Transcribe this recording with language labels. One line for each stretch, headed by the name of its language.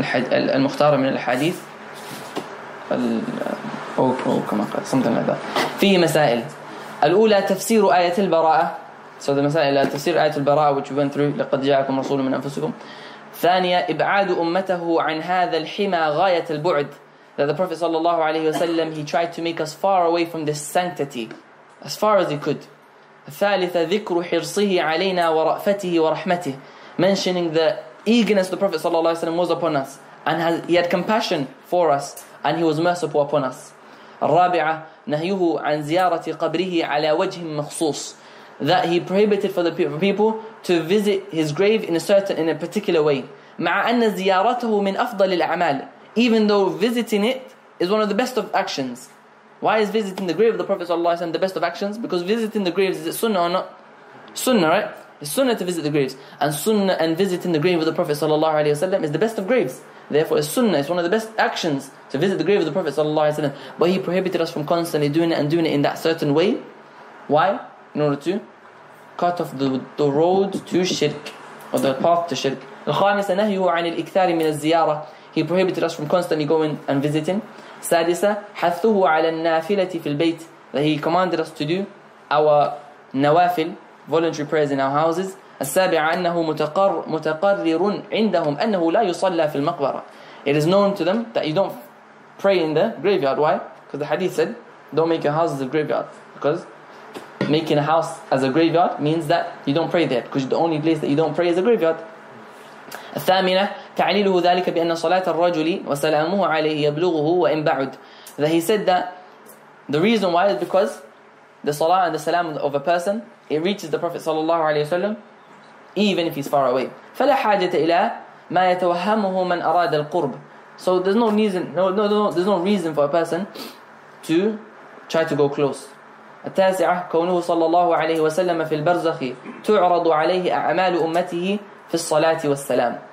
Arabic: المختارة من الحديث.
English: Something like that.
Arabic: في مسائل. الأولى تفسير آية البراءة.
English: So the مسائل
Arabic: تفسير آية البراءة
English: which we went through.
Arabic: لقد جاءكم رسول من أنفسكم. ثانية إبعاد أمته عن هذا الحما غاية البعد.
English: That the Prophet صلى الله عليه وسلم, he tried to make us far away from this sanctity as far as he could.
Arabic: ثالثة ذكر حرصه علينا ورأفته ورحمته.
English: Mentioning the eagerness the Prophet صلى الله عليه وسلم was upon us, and he had compassion for us, and he was merciful upon us.
Arabic: الرابعة نهيه عن زيارة قبره على وجه مخصوص.
English: That he prohibited for the people to visit his grave in a certain, in a particular way.
Arabic: مع أن زيارته من أفضل الأعمال.
English: Even though visiting it is one of the best of actions. Why is visiting the grave of the Prophet صلى الله عليه وسلم the best of actions? Because visiting the graves, is it sunnah or not? Sunnah, right? It's sunnah to visit the graves. And sunnah and visiting the grave of the Prophet صلى الله عليه وسلم is the best of graves. Therefore, it's sunnah. It's one of the best actions to visit the grave of the Prophet صلى الله عليه وسلم. But he prohibited us from constantly doing it and doing it in that certain way. Why? In order to cut off the road to shirk, or the path to shirk.
Arabic: الخامسة نهيه عن الإكثار من الزيارة.
English: He prohibited us from constantly going and visiting.
Arabic: سادسة حثه على النافلة في البيت.
English: That he commanded us to do our نوافل, voluntary prayers in our houses.
Arabic: السابعة أنه متقرر عندهم أنه لا يصلى في المقبرة.
English: It is known to them that you don't pray in the graveyard. Why? Because the hadith said, don't make your houses a graveyard. Because making a house as a graveyard means that you don't pray there, because the only place that you don't pray is a graveyard.
Arabic: الثامنة تعليله ذلك بأن صلاة الرجل وسلامه عليه يبلغه وإن بعد.
English: That he said that the reason why is because the salah and the salam of a person, it reaches the Prophet صلى الله عليه وسلم even if he's far away.
Arabic: فلا حاجة إلى ما يتوهمه من أراد القرب.
English: So there's no reason, there's no reason for a person to try to go close.
Arabic: التاسعة كونه صلى الله عليه وسلم في البرزخ تعرض عليه أعمال أمته في الصلاة والسلام.